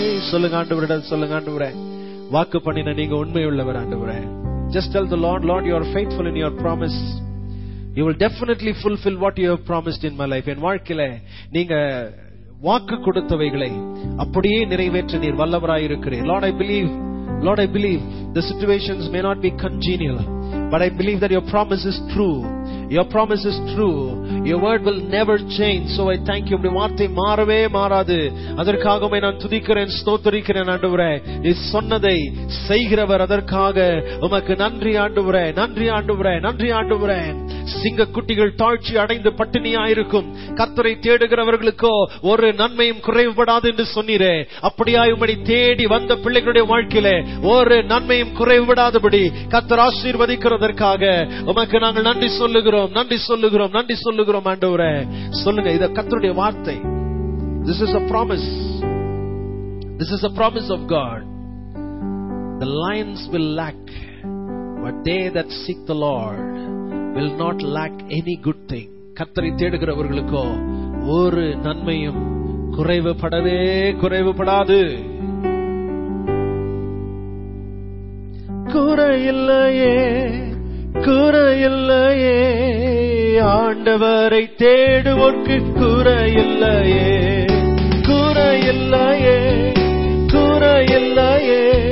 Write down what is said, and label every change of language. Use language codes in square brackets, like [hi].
[ta] சொல்லுங்க ஆண்டவரே, சொல்லுங்க ஆண்டவரே, வாக்கு பண்ணின நீங்க உண்மையுள்ளவர் ஆண்டவரே. [en] Just tell the Lord, Lord, you are faithful in your promise. You will definitely fulfill what you have promised in my life. [ta] என் வாழ்க்கையில நீங்க வாக்கு கொடுத்தவைகளை அப்படியே நிறைவேற்ற நீர் வல்லவராய் இருக்கிறீர். [en] Lord, I believe, Lord, I believe the situations may not be congenial, but I believe that your promise is true. Your promise is true. Your word will never change. So I thank you. [ta] உம்முடைய வார்த்தை மாறவே மாறாது. அதற்காகவே நான் துதிக்கிறேன், ஸ்தோத்தரிக்கிறேன் ஆண்டவரே. நீ சொன்னதை செய்கிறவர், அதற்காக உமக்கு நன்றி ஆண்டவரே, நன்றி ஆண்டவரே, நன்றி ஆண்டவரே. சிங்க குட்டிகள் தாழ்ச்சி அடைந்து பட்டினியாயிருக்கும், கர்த்தரை தேடுகிறவர்களுக்கோ ஒரு நன்மையும் குறைவுபடாது என்று சொன்னீரே. அப்படியாய் உம்மை தேடி வந்த பிள்ளைகளுடைய வாழ்க்கையில ஒரு நன்மையும் குறைவுபடாதபடி கர்த்தர் ஆசீர்வதிக்கிறதற்காக உமக்கு நாங்கள் நன்றி சொல்லுகிறோம், நன்றி சொல்லுகிறோம், நன்றி சொல்லுகிறோம் ஆண்டவரே. சொல்லுங்க, இது கர்த்தருடைய வார்த்தை. [en] This is a promise. This is a promise of God. The lions will lack, but they that seek the Lord will not lack any good thing. [ta] கர்த்தரை தேடுகிறவர்களுக்கோ ஒரு நன்மையும் குறைவுபடவே குறைவுபடாது. குறையில்லையே குறையில்லையே ஆண்டவரை தேடுவோர்க்கு குறையில்லையே குறையில்லையே குறையில்லையே